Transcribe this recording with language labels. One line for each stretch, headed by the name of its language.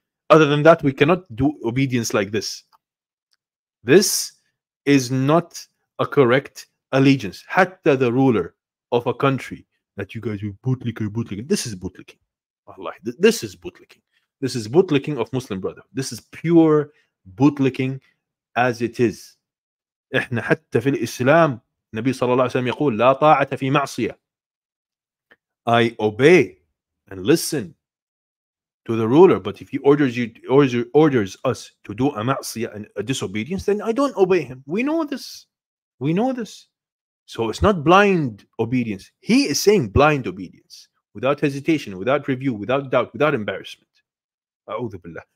English: Other than that, we cannot do obedience like this. This is not a correct allegiance. Hatta the ruler of a country that you guys will bootlicking. This is bootlicking. Allah, this is bootlicking. This is bootlicking of Muslim Brotherhood. This is pure bootlicking as it is.
Arabic: إحنا حتى في الإسلام النبي صلى الله عليه وسلم يقول لا طاعة في معصية.
English: I obey and listen to the ruler, but if he orders us to do a ma'asiyah and a disobedience, then I don't obey him. We know this. We know this. So it's not blind obedience. He is saying blind obedience, without hesitation, without review, without doubt, without embarrassment. A'udhu billah.